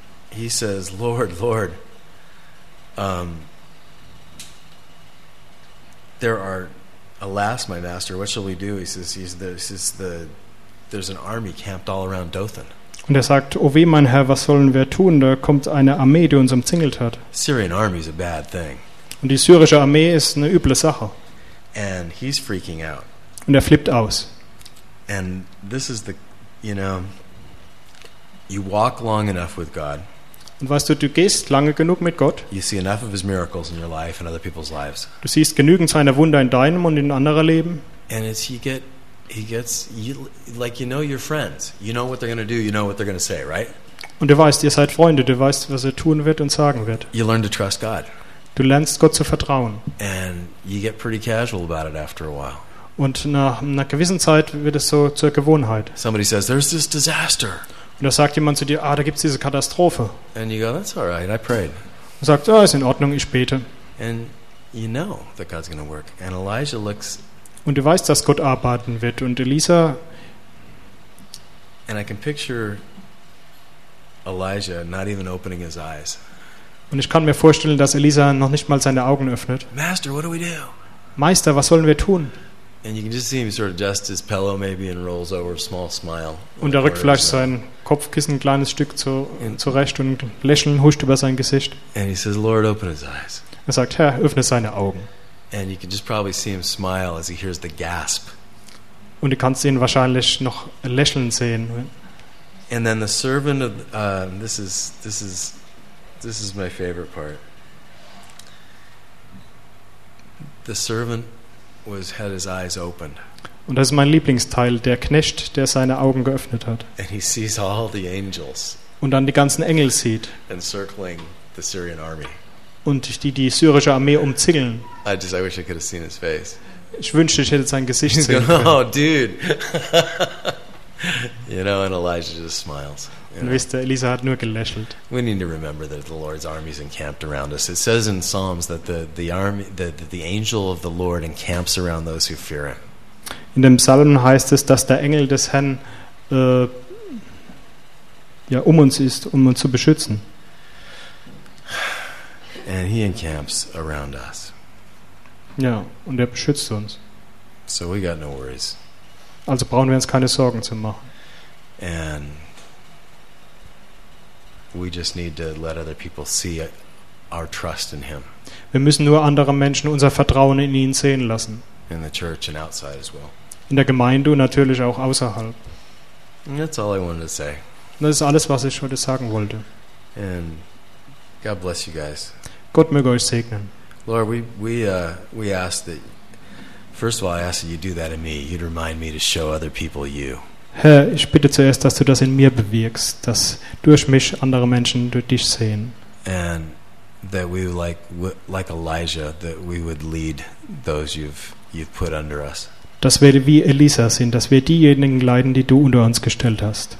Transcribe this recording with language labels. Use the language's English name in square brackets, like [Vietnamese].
[English] he says, Lord, Lord, there are, alas, my master, what shall we do? There's an army camped all around Dothan. [German] Und er sagt, oh weh, mein Herr, was sollen wir tun? Da kommt eine Armee, die uns umzingelt hat. [English] Syrian army is a bad thing. [German] Und die syrische Armee ist eine üble Sache. [English] And he's freaking out. [German] Und er flippt aus. [English] And this is the, you know, you walk long enough with God. [German] Und weißt du, du gehst lange genug mit Gott. [English] You see enough of his miracles in your life and other people's lives. [German] Du siehst genügend seiner Wunder in deinem und in anderer Leben. [English] And as you get, he gets, you, like, you know your friends. You know what they're going to do, you know what they're going to say, right? [German] Und du weißt, ihr seid Freunde, du weißt, was er tun wird und sagen wird. [English] You learn to trust God. [German] Du lernst, Gott zu vertrauen. [English] And you get pretty casual about it after a while. [German] Und nach einer gewissen Zeit wird es so zur Gewohnheit. [English] Somebody says, there's this disaster. [German] Und da sagt jemand zu dir, ah, da gibt's diese Katastrophe. [English] And you go, that's all right, I prayed. [German] Und sagt, ah, ist in Ordnung, ich bete. [English] And you know that God's going to work. And Elijah looks. [German] Und du weißt, dass Gott arbeiten wird. Und Elisa. [English] And I can picture Elijah not even opening his eyes. [German] Und ich kann mir vorstellen, dass Elisa noch nicht mal seine Augen öffnet. [English] Master, what do we do? [German] Meister, was sollen wir tun? [English] And you can just see him sort of adjust his pillow maybe and rolls over a small smile. [German] Und er rückt vielleicht sein Kopfkissen ein kleines Stück zurecht und lächeln huscht über sein Gesicht. [English] And he says, Lord, open his eyes. [German] Er sagt, Herr, öffne seine Augen. [English] And you can just probably see him smile as he hears the gasp. [German] Und du kannst ihn wahrscheinlich noch lächeln sehen. [English] And then the servant of this is my favorite part. The servant was had his eyes opened. [German] Und das ist mein Lieblingsteil, der Knecht, der seine Augen geöffnet hat. [English] And he sees all the angels. [German] Und dann die ganzen Engel sieht. [English] Encircling the Syrian army. [German] Und die syrische Armee umzingeln. [English] I wish I could have seen his face. [German] Ich wünschte, ich hätte sein Gesicht sehen können. [English] Oh, dude. You know, and Elijah just smiles. [German] Und wisst ihr, Elisa hat nur gelächelt. [English] We need to remember that the Lord's army is encamped around us. It says in Psalms that the angel of the Lord encamps around those who fear him. [German] In dem Psalm heißt es, dass der Engel des Herrn um uns ist, um uns zu beschützen. [English] And he encamps around us. [German] Ja, und er beschützt uns. [English] So we got no worries. [German] Also brauchen wir uns keine Sorgen zu machen. [English] And we just need to let other people see our trust in him. [German] Wir müssen nur anderen Menschen unser Vertrauen in ihn sehen lassen. [English] In the church and outside as well. [German] In der Gemeinde und natürlich auch außerhalb. [English] And that's all I wanted to say. [German] Das ist alles, was ich heute sagen wollte. [English] And God bless you guys. [German] Gott möge euch segnen. [English] Lord, we ask that. First of all, I ask that you do that in me. You'd remind me to show other people you. [German] Herr, ich bitte zuerst, dass du das in mir bewirkst, dass durch mich andere Menschen durch dich sehen. [English] And that we like Elijah, that we would lead those you've put under us. [German] Dass wir wie Elisa sind, dass wir diejenigen leiten, die du unter uns gestellt hast.